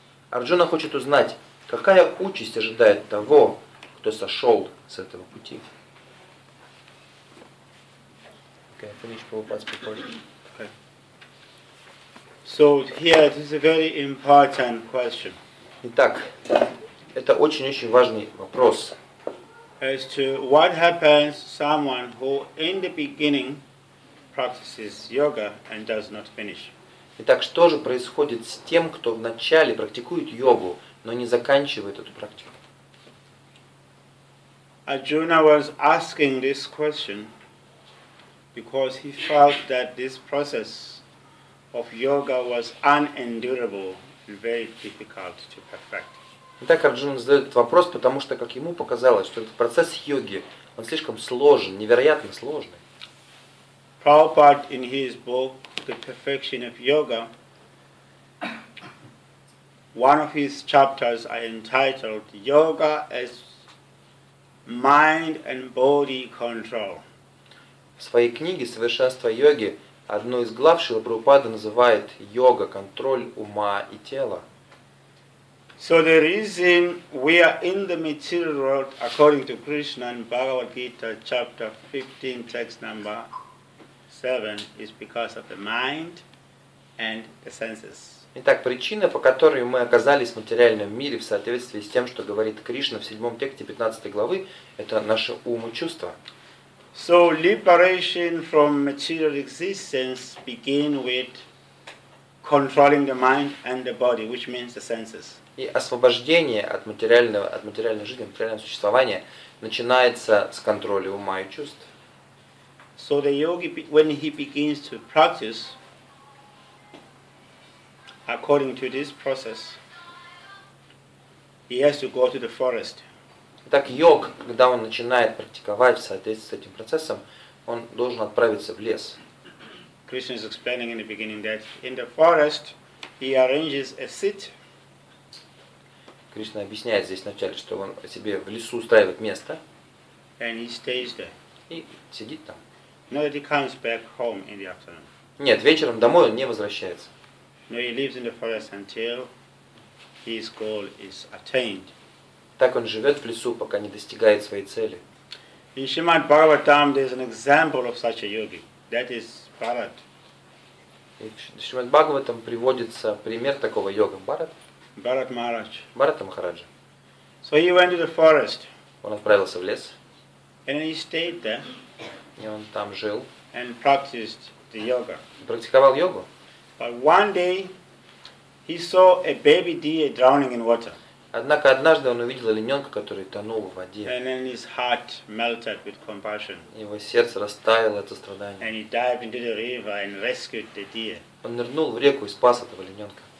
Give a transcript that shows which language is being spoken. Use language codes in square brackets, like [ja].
[ru] Арджуна хочет узнать, какая участь ожидает того, кто сошел с этого пути. [en] Okay, finish Prabhupada's proposal. Okay. So here it is a very important question. [ru] Итак, это очень-очень важный вопрос. [en] As to what happens to someone who in the beginning practices yoga and does not finish. [ru] Итак, что же происходит с тем, кто вначале практикует йогу, но не заканчивает эту практику? [en] Arjuna was asking this question because he felt that this process of yoga was unendurable and very difficult to perfect. [ru] Итак, Арджуна задает этот вопрос, потому что, как ему показалось, что этот процесс йоги, он слишком сложен, невероятно сложный. [en] Prabhupada in his book The Perfection of Yoga, one of his chapters are entitled Yoga as Mind and Body Control. [ru] В своей книге «Совершенство йоги» одну из глав Шрила Прабхупада называет «Йога – контроль ума и тела». [en] So the reason we are in the material world, according to Krishna in Bhagavad Gita, chapter 15, text number 7, is because of the mind and the senses. [ru] Итак, причина, по которой мы оказались в материальном мире в соответствии с тем, что говорит Кришна в 7 тексте 15 главы, это наши ум и чувства. [en] So liberation from material existence begins with controlling the mind and the body, which means the senses. [ru] И освобождение от материального, от материальной жизни, материального существования начинается с контроля ума и чувств. [en] So the yogi, when he begins to practice, according to this process, he has to go to the forest. [ru] Итак, йог, когда он начинает практиковать в соответствии с этим процессом, он должен отправиться в лес. [en] Krishna is explaining in the beginning that in the forest he arranges a seat. [ru] Кришна объясняет здесь вначале, что он себе в лесу устраивает место. [en] And he stays there. [ru] И сидит там. [en] No, he comes back home in the afternoon. [ru] Нет, вечером домой он не возвращается. [en] No, he lives in the forest until his goal is attained. [ru] Так он живет в лесу, пока не достигает своей цели. [en] In Srimad Bhagavatam there is an example of such a yogi. That is Bharat. [ru] И в Шримад Бхагаватам приводится пример такого йога. Бхарат? [en] Bharat Maharaj. Bharata Maharaja. So he went to the forest. [ru] Он отправился в лес. [en] And he stayed there. [ru] И он там жил. [en] And practiced the yoga. [ru] Практиковал йогу. [en] But one day he saw a baby deer drowning in water. [ru] Однако однажды он увидел олененка, который тонул в воде. [en] And then his heart melted with compassion. [ru] Его сердце растаяло от сострадания. [en] And he dived into the river and rescued the deer. [ru] Он нырнул в реку и спас этого олененка.